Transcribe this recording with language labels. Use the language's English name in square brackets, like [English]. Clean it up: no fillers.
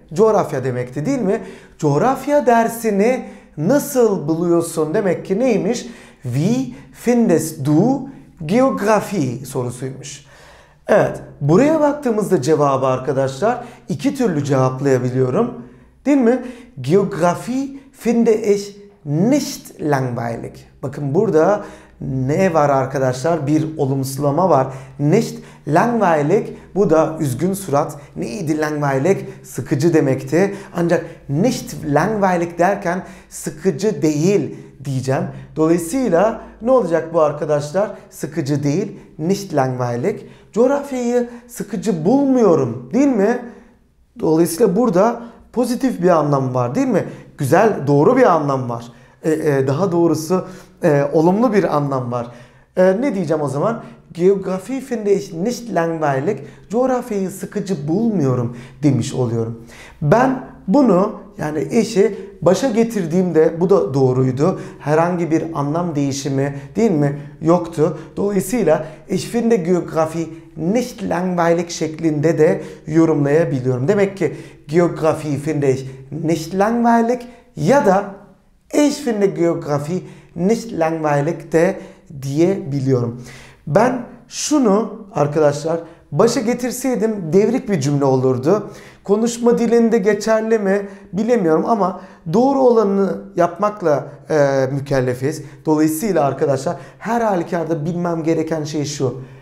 [Turkish] coğrafya demekti değil mi? Coğrafya dersini nasıl buluyorsun demek ki neymiş? [German] Wie findest du Geografie [Turkish] sorusuymuş. Evet, buraya baktığımızda cevabı arkadaşlar iki türlü cevaplayabiliyorum. Değil mi? [German] Geografie finde ich nicht langweilig. [Turkish] Bakın burada ne var arkadaşlar? Bir olumsuzlama var. [German] Nicht langweilig, [Turkish] bu da üzgün surat. Neydi langweilig? Sıkıcı demekti. Ancak [German] nicht langweilig [Turkish] derken sıkıcı değil diyeceğim. Dolayısıyla ne olacak bu arkadaşlar? Sıkıcı değil, [German] nicht langweilig. [Turkish] Coğrafyayı sıkıcı bulmuyorum değil mi? Dolayısıyla burada pozitif bir anlam var değil mi? Güzel, doğru bir anlam var. Daha doğrusu olumlu bir anlam var. Ne diyeceğim o zaman? [German] Geografie finde ich nicht langweilig. [Turkish] Coğrafyayı sıkıcı bulmuyorum demiş oluyorum. Ben bunu, yani işi başa getirdiğimde bu da doğruydu. Herhangi bir anlam değişimi değil mi yoktu. Dolayısıyla [German] ich finde Geografie nicht langweilig [Turkish] şeklinde de yorumlayabiliyorum. Demek ki [German] Geografie finde ich nicht langweilig [Turkish] ya da [German] ich finde Geografie nicht langweilig [Turkish] de diyebiliyorum. Ben şunu arkadaşlar başa getirseydim devrik bir cümle olurdu. Konuşma dilinde geçerli mi bilemiyorum ama doğru olanı yapmakla mükellefiz. Dolayısıyla arkadaşlar her halükarda bilmem gereken şey şu.